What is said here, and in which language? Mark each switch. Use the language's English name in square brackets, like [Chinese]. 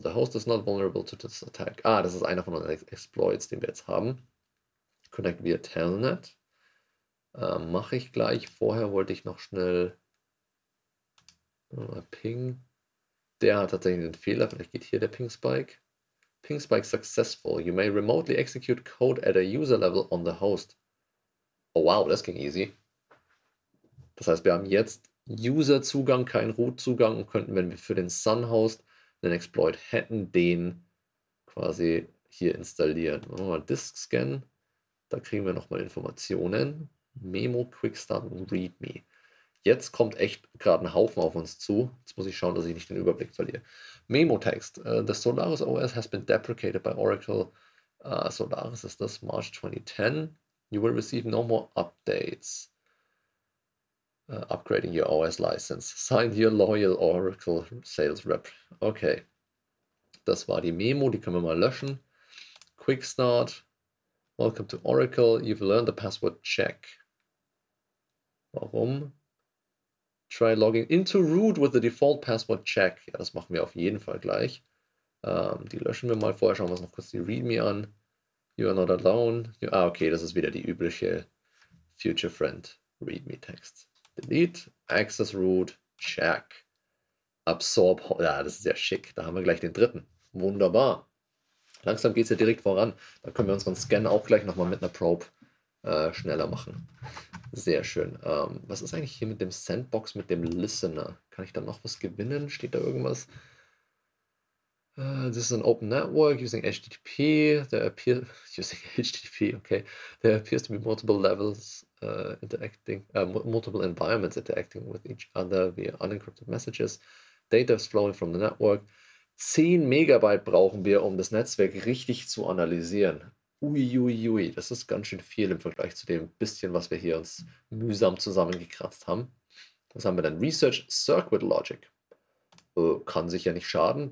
[English] The host is not vulnerable to this attack. [German] Ah, das ist einer von unseren Exploits, den wir jetzt haben. [English] Connect via Telnet. [German] Mache ich gleich. Vorher wollte ich noch schnell mal ping. Der hat tatsächlich den Fehler. Vielleicht geht hier der Ping Spike. [English] Ping Spike successful. You may remotely execute code at a user level on the host. [German] Oh wow, das ging easy. Das heißt, wir haben jetzt User-Zugang, keinen Root-Zugang und könnten, wenn wir für den Sun-Host einen Exploit hätten, den quasi hier installieren. Machen wir mal Disk Scan. Da kriegen wir nochmal Informationen. Memo, Quickstart und Readme. Jetzt kommt echt gerade ein Haufen auf uns zu. Jetzt muss ich schauen, dass ich nicht den Überblick verliere. Memo-Text. [English] The Solaris OS has been deprecated by Oracle. [German] Solaris ist das, [English] March 2010. You will receive no more updates. Upgrading your OS license. Signed your loyal Oracle Sales Rep. Okay. [German] Das war die Memo, die können wir mal löschen. [English] Quick Start. Welcome to Oracle. You've learned the password check. [German] Warum? [English] Try logging into root with the default password check. [German] Ja, das machen wir auf jeden Fall gleich. Die löschen wir mal vorher. Schauen wir uns noch kurz die README an. [English] You are not alone. [German] Okay, das ist wieder die übliche Future Friend README Text. Delete, access root, check, absorb, ja, das ist ja schick, da haben wir gleich den dritten, wunderbar. Langsam geht es ja direkt voran, da können wir unseren Scan auch gleich nochmal mit einer Probe schneller machen. Sehr schön. Was ist eigentlich hier mit dem Sandbox, mit dem Listener? Kann ich da noch was gewinnen? Steht da irgendwas? [English] This is an open network using HTTP. There appears to be multiple levels interacting, multiple environments interacting with each other via unencrypted messages. Data is flowing from the network. [German] 10 Megabyte brauchen wir, um das Netzwerk richtig zu analysieren. Uiuiui, das ist ganz schön viel im Vergleich zu dem bisschen, was wir hier uns mühsam zusammengekratzt haben. Was haben wir dann? [English] Research Circuit Logic. [German] Kann sich ja nicht schaden.